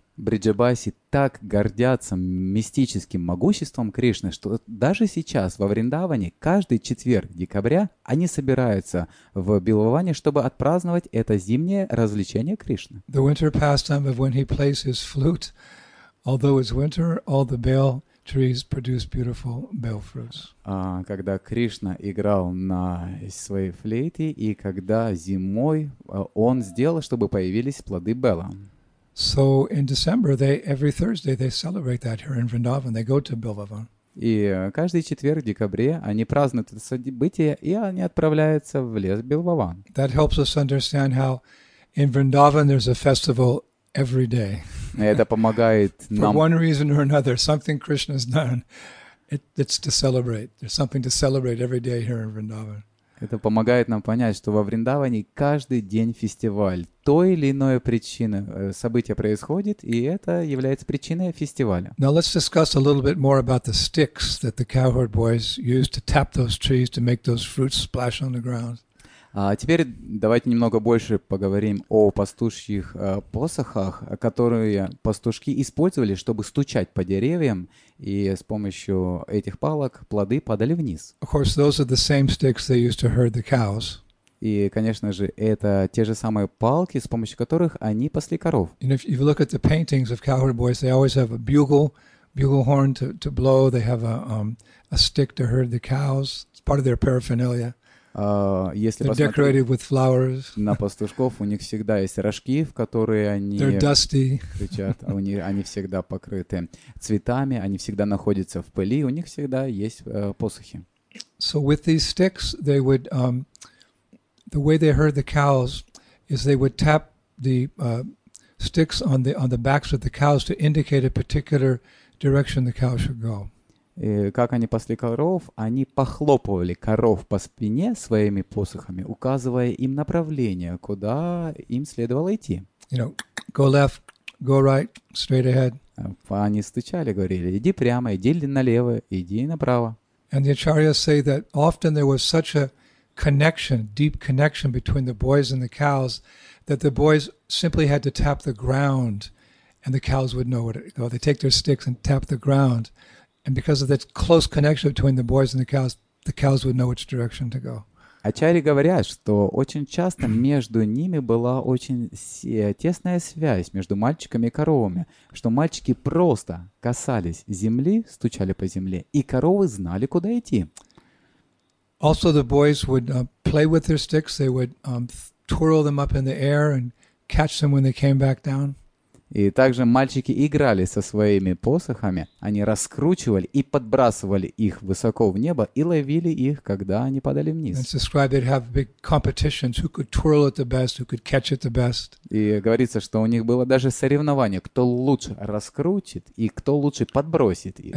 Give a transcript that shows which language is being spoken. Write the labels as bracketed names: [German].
[Russian] Бриджабаси так гордятся мистическим могуществом Кришны, что даже сейчас во Вриндаване каждый четверг декабря они собираются в Бхилаване, чтобы отпраздновать это зимнее развлечение Кришны. [English] The winter pastime of when he plays his flute, although it's winter, all the bell trees produce beautiful bell fruits. [Russian] Когда Кришна играл на своей флейте и когда зимой он сделал, чтобы появились плоды белла. [English] So in December, they every Thursday they celebrate that here in Vrindavan. They go to Bilvavan. [Russian] И каждый четверг в декабре они празднуют это событие и они отправляются в лес Бильваван. [English] That helps us understand how in Vrindavan there's a festival every day. [Russian] Это помогает нам. [English] For one reason or another, something Krishna's done, it's to celebrate. There's something to celebrate every day here in Vrindavan. [Russian] Это помогает нам понять, что во Вриндаване каждый день фестиваль. Той или иной причины события происходит, и это является причиной фестиваля. [English] Now let's discuss a little bit more about the sticks that the cowherd boys used to tap those trees to make those fruits splash on the ground. [Russian] Теперь давайте немного больше поговорим о пастушьих посохах, которые пастушки использовали, чтобы стучать по деревьям, и с помощью этих палок плоды падали вниз. [English] Of course, those are the same sticks they used to herd the cows. [Russian] И, конечно же, это те же самые палки, с помощью которых они пасли коров. [English] And if you look at the paintings of cowherd boys, they always have a bugle horn to blow, they have a stick to herd the cows. It's part of their paraphernalia. [Russian] Если посмотреть на пастушков, у них всегда есть рожки, в которые они кричат, они всегда покрыты цветами, они всегда находятся в пыли, у них всегда есть посохи. [English] So with these sticks, they would, the way they herd the cows is they would tap the sticks on the backs of the cows to indicate a particular direction the cow should go. [Russian] И как они пасли коров, они похлопывали коров по спине своими посохами, указывая им направление, куда им следовало идти. [English] You know, go left, go right, straight ahead. [Russian] Они стучали, говорили, иди прямо, иди налево, иди направо. [English] And the acharyas say that often there was such a connection, deep connection between the boys and the cows, that the boys simply had to tap the ground and the cows would know where to go. They take their sticks and tap the ground. And because of that close connection between the boys and the cows would know which direction to go. [Russian] Ачари говорят, что очень часто между ними была очень тесная связь между мальчиками и коровами, что мальчики просто касались земли, стучали по земле, и коровы знали, куда идти. [English] Also, the boys would play with their sticks. They would twirl them up in the air and catch them when they came back down. [Russian] И также мальчики играли со своими посохами, они раскручивали и подбрасывали их высоко в небо и ловили их, когда они падали вниз. И говорится, что у них было даже соревнование, кто лучше раскрутит и кто лучше подбросит их.